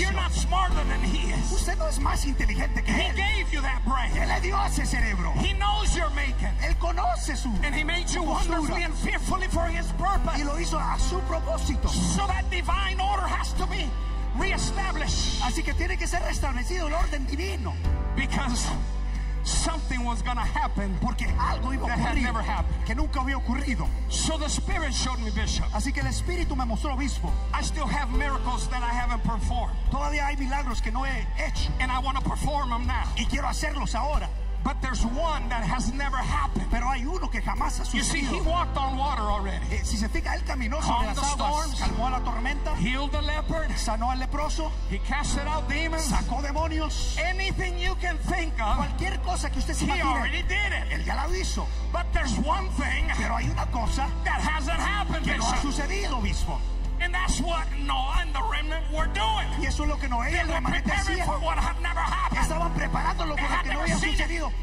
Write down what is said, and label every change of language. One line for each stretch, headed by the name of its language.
English: You're not smarter than he is.
Spanish: Usted no es más inteligente que
English: he
Spanish: él.
English: Gave you that brain.
Spanish: Él le dio ese cerebro.
English: He knows your making.
Spanish: Él conoce su
English: and he made you
Spanish: postura.
English: Wonderfully and fearfully for his purpose.
Spanish: Y lo hizo a su propósito.
English: So that divine order has to be reestablished.
Spanish: Así que tiene que ser restablecido el orden divino.
English: Because something was going to happen
Spanish: porque algo iba a ocurrir
English: that had never happened.
Spanish: Que nunca había ocurrido.
English: So the Spirit showed me, Bishop.
Spanish: Así que el Espíritu me mostró, Obispo.
English: I still have miracles that I haven't performed.
Spanish: Todavía hay milagros que no he hecho.
English: And I want to perform them now.
Spanish: Y quiero hacerlos ahora.
English: But there's one that has never happened.
Spanish: Pero hay uno que jamás ha sucedido.
English: You see, he walked on water already.
Spanish: Si se fija, él caminó sobre las aguas. Calmó la tormenta.
English: Healed the leper.
Spanish: Sanó al leproso.
English: He casted out demons.
Spanish: Sacó demonios.
English: Anything you can think of.
Spanish: Cualquier cosa que usted se imagine.
English: He already did it.
Spanish: Él ya lo hizo.
English: But there's one thing.
Spanish: Pero hay una cosa
English: that hasn't happened.
Spanish: Que no ha sucedido, Obispo.
English: And that's what Noah and the remnant were doing.
Spanish: Y eso es lo que Noé y el remanente hacían.
English: For what had never happened.
Spanish: Estaban preparándolo por lo que no había sucedido.